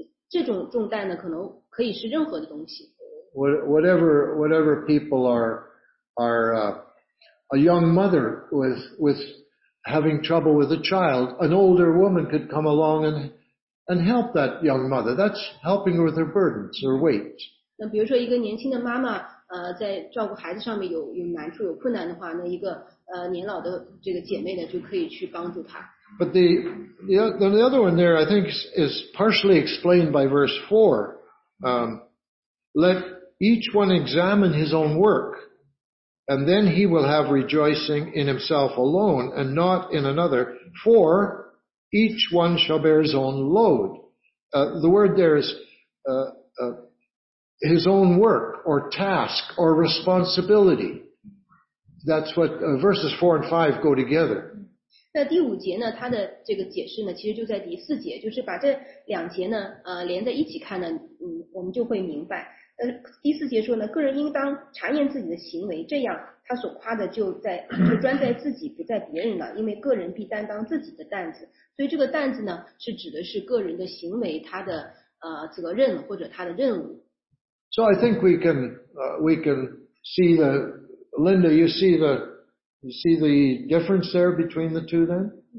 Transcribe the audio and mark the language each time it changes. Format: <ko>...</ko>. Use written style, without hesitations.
<zh>这种重担呢，可能可以是任何的东西。</zh> <en>Whatever people are a young mother with having trouble with a child, an older woman could come along and help that young mother. That's helping her with her burdens, her weight.</en> <zh>那比如说一个年轻的妈妈，在照顾孩子上面有难处、有困难的话，那一个年老的这个姐妹呢，就可以去帮助她。</zh> <en>But the other one there, I think, is partially explained by verse 4. Let each one examine his own work. And then he will have rejoicing in himself alone and not in another. For each one shall bear his own load. The word there is his own work or task or responsibility. That's what verses 4 and 5 go together.</en> <zh>那第五节呢，它的这个解释呢，其实就在第四节，就是把这两节呢，连在一起看呢，我们就会明白。第四节说呢，个人应当查验自己的行为，这样他所夸的就专在自己，不在别人了，因为个人必担当自己的担子。所以这个担子呢，是指的是个人的行为，他的责任或者他的任务。</zh> <en>So I think we can see the Linda, you see the difference there between the two then?</en>